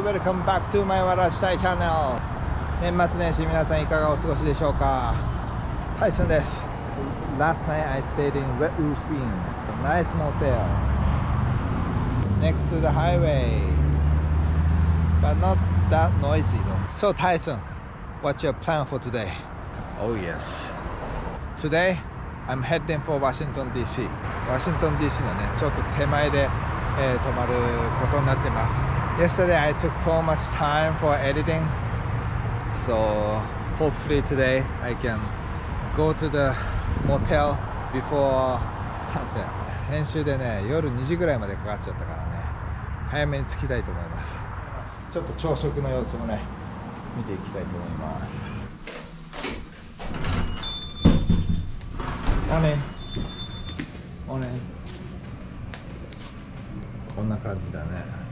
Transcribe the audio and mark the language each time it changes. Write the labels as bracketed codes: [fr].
[en] Welcome back to my [ja] わらしたいチャンネル。年末年始、皆さんいかがお過ごしでしょうか。タイソンです。 [en] Last night I stayed in Red Roof Inn. Nice motel. Next to the highway. But not that noisy though. So, Tyson, what's your plan for today? Oh, yes. Today, I'm heading for Washington, D.C. Washington, D.C. [ja] のね、ちょっと手前で泊まることになってます。 [en] Yesterday I took so much time for editing, so hopefully today I can go to the motel before sunset. [ja] 編集でね、夜2時ぐらいまでかかっちゃったからね、早めに着きたいと思います。ちょっと朝食の様子もね、見ていきたいと思います。おねんおねん、こんな感じだね。